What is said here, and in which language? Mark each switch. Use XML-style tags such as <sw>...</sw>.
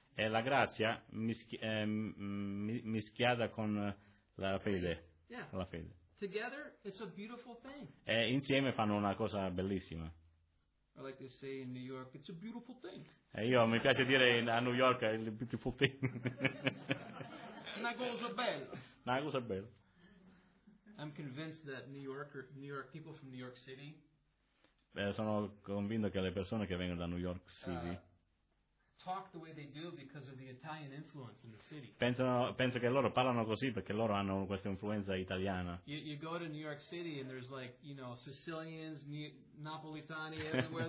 <it>È la grazia mischiata con la fede. Yeah. La fede.</it> <en>Together, it's a beautiful thing.</en> <it>E insieme fanno una cosa bellissima.</it> <en>I like to say in New York, it's a beautiful thing.</en> <it>E io mi piace dire a New York, è</it> <en>a beautiful thing.</en> <it>Una cosa bella. Una cosa bella.</it> <en>I'm convinced that New York people from New York City.</en> <it>Sono convinto che le persone che vengono da New York City.</it> <en>Talk the way they do because of the Italian influence in the city.</en> <it>Penso che loro parlano così perché loro hanno questa influenza italiana.</it> <en>You go to New York City and there's like, you know, Sicilians, Napolitani everywhere.</en>